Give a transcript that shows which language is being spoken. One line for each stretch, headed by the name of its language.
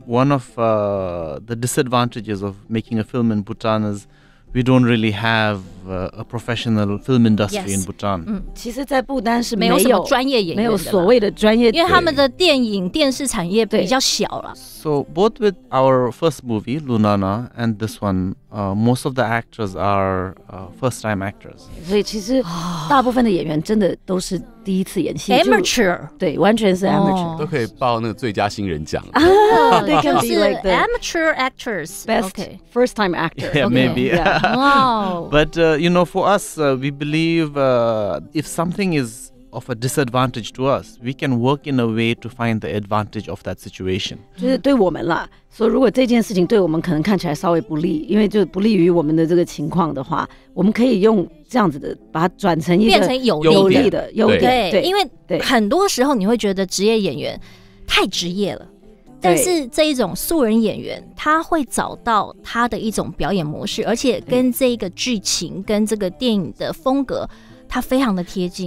English: One of the disadvantages of making a film in Bhutan is we don't really have a professional film industry in Bhutan.
Chinese: 其实在不丹是没有什么专业演员的，没有所谓的专业，因为他们的电影电视产业比较小了。
English: So both with our first movie Lunana and this one, most of the actors are first-time actors.
Chinese: 所以其实大部分的演员真的都是第一次演戏
English: ，amateur，
Chinese: 对，完全是 amateur，都可以报那个最佳新人奖。
English: They can be like the amateur actors, best、 okay. first-time actor. Yeah, maybe. Wow.、 But for us, we believe if something is of a disadvantage to us, we can work in a way to find the advantage of that situation.
Chinese: 就是对我们啦。所以如果这件事情对我们可能看起来稍微不利，因为就不利于我们的这个情况的话，我们可以用这样子的把它转成一个变成有利的优点, 优点对, 对，因为很多时候你会觉得职业演员太职业了，但是这一种素人演员他会找到他的一种表演模式，而且跟这个剧情跟这个电影的风格他非常的贴近，